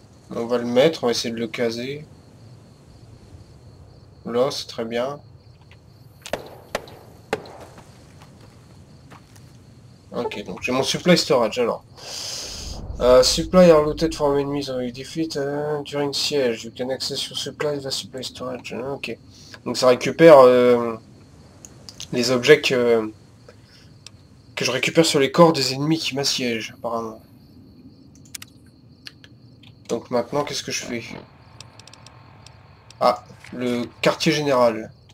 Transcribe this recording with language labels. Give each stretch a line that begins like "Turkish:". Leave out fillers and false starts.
French: On va le mettre, on va essayer de le caser. Là, c'est très bien. Ok, donc j'ai mon supply storage alors.
English: Supply are looted from enemies or defeat during siege. You can access your supply via supply storage. Ok.
French: Donc ça récupère les objets que je récupère sur les corps des ennemis qui m'assiègent, apparemment. Donc maintenant, qu'est-ce que je fais? Ah, le quartier général.